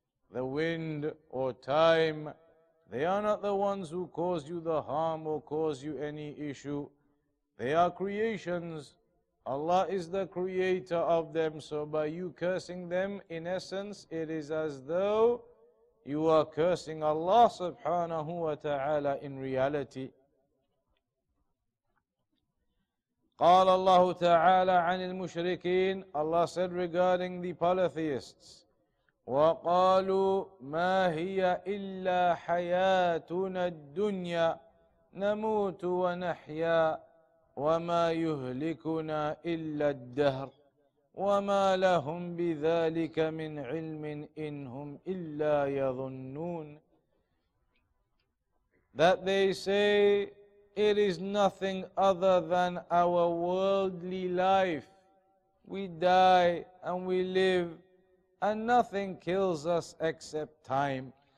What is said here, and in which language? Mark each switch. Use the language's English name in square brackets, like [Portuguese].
[English] The wind or time, they are not the ones who cause you the harm or cause you any issue. They are creations. Allah is the creator of them. So by you cursing them, in essence, it is as though you are cursing Allah subhanahu wa ta'ala in reality. [Arabic] قال الله تعالى عن المشركين, [English] Allah said regarding the polytheists, [Arabic] وقالوا ما هي إلا حياتنا الدنيا نموت ونحيا وما يهلكنا إلا الدهر وما لهم بذلك من علم إن هم إلا يظنون. [English] That they say, it is nothing other than our worldly life. We die and we live, and nothing kills us except time.